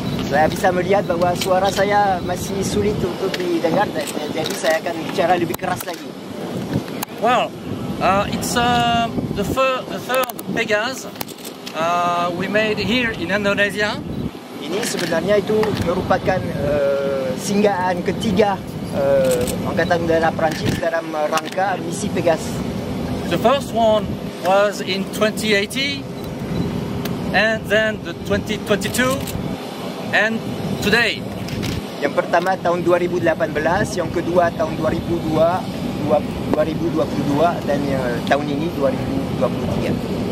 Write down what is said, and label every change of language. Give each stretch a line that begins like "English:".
Indonesian: Saya bisa melihat bahwa suara saya masih sulit untuk didengar, jadi saya akan bicara lebih keras lagi.
English: Well, it's the third Pegase we made here in Indonesia.
Indonesian: Ini sebenarnya itu merupakan singgahan ketiga angkatan udara Perancis dalam rangka misi Pegase.
English: The first one was in 2080, and then the 2022, and today.
Indonesian: Yang pertama tahun 2018, yang kedua tahun 2022, dan tahun ini 2023.